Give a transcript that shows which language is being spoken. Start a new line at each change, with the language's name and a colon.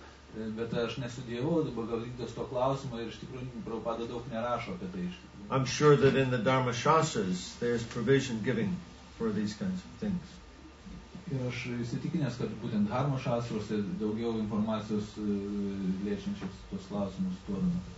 Lithuanian: Bet aš nesudėjau Bhagavad-gītos to klausimo ir iš tikrųjų Prabhupada daug nerašo apie tai.
English: I'm sure that in the Dharma Shastras there is provision giving for these kinds of things.
Lithuanian: Ir aš įsitikinęs, kad būtent Dharma Shastrose daugiau informacijos liečiančios tos klausimus duodama.